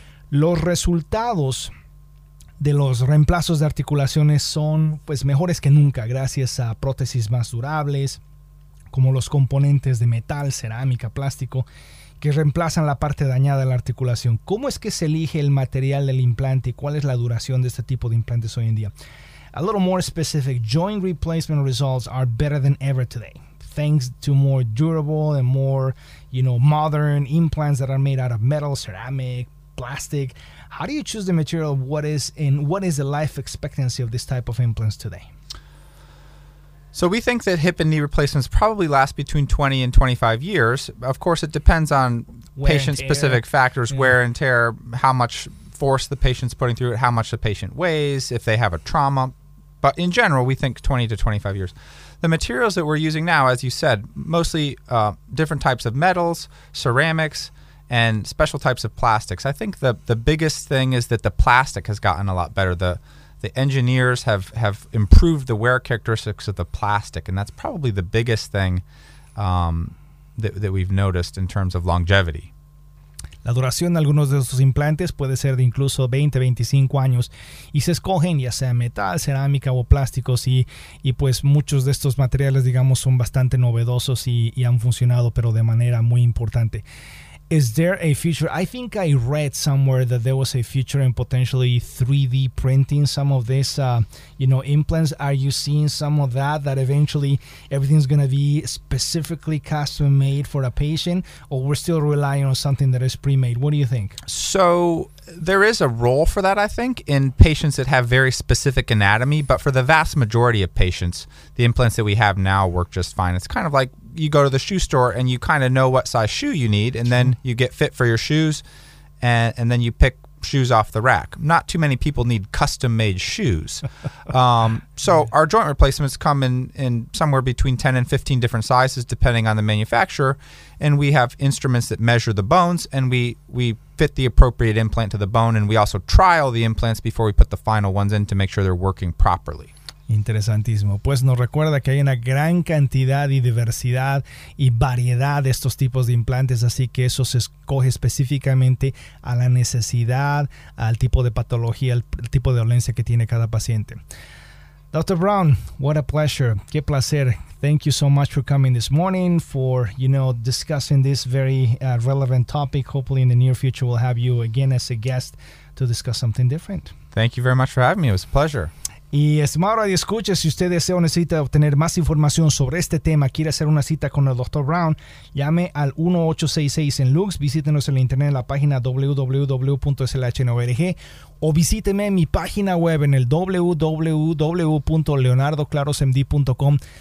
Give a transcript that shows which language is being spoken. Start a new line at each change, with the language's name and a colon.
Spanish: Los resultados de los reemplazos de articulaciones son, pues, mejores que nunca, gracias a prótesis más durables, como los componentes de metal, cerámica, plástico, que reemplazan la parte dañada de la articulación. ¿Cómo es que se elige el material del implante y cuál es la duración de este tipo de implantes hoy en día?
English: A little more specific, joint replacement results are better than ever today, thanks to more durable and more, you know, modern implants that are made out of metal, ceramic, plastic. How do you choose the material? What is the life expectancy of this type of implants today? So we think that hip and knee replacements probably last between 20 and 25 years. Of course, it depends on patient-specific factors, wear and tear, how much force the patient's putting through it, how much the patient weighs, if they have a trauma. But in general, we think 20 to 25 years. The materials that we're using now, as you said, mostly different types of metals, ceramics, and special types of plastics. I think the biggest thing is that the plastic has gotten a lot better. The engineers have improved the wear characteristics of the plastic, and that's probably the biggest thing that we've noticed in terms of longevity.
Spanish: La duración de algunos de estos implantes puede ser de incluso 20, 25 años, y se escogen ya sea metal, cerámica o plásticos, y pues muchos de estos materiales, digamos, son bastante novedosos y han funcionado, pero de manera muy importante.
English: Is there a future? I think I read somewhere that there was a future in potentially 3D printing some of this, implants. Are you seeing some of that eventually everything's going to be specifically custom made for a patient, or we're still relying on something that is pre-made? What do you think? So there is a role for that, I think, in patients that have very specific anatomy. But for the vast majority of patients, the implants that we have now work just fine. It's kind of like you go to the shoe store and you kind of know what size shoe you need, and then you get fit for your shoes, and then you pick shoes off the rack. Not too many people need custom made shoes. Our joint replacements come in somewhere between 10 and 15 different sizes, depending on the manufacturer. And we have instruments that measure the bones, and we fit the appropriate implant to the bone. And we also trial the implants before we put the final ones in to make sure they're working properly.
Spanish: Interesantísimo. Pues nos recuerda que hay una gran cantidad y diversidad y variedad de estos tipos de implantes, así que eso se escoge específicamente a la necesidad, al tipo de patología, al tipo de dolencia que tiene cada paciente.
English: Dr. Brown, what a pleasure.
Spanish: Qué placer.
English: Thank you so much for coming this morning, for, you know, discussing this very relevant topic. Hopefully in the near future, we'll have you again as a guest to discuss something different. Thank you very much for having me. It was a pleasure.
Spanish: Y estimado radio escucha, si usted desea o necesita obtener más información sobre este tema, quiere hacer una cita con el Dr. Brown, llame al 1-866 en Lux, visítenos en la internet en la página www.slh.org o visíteme en mi página web en el www.leonardoclarosmd.com.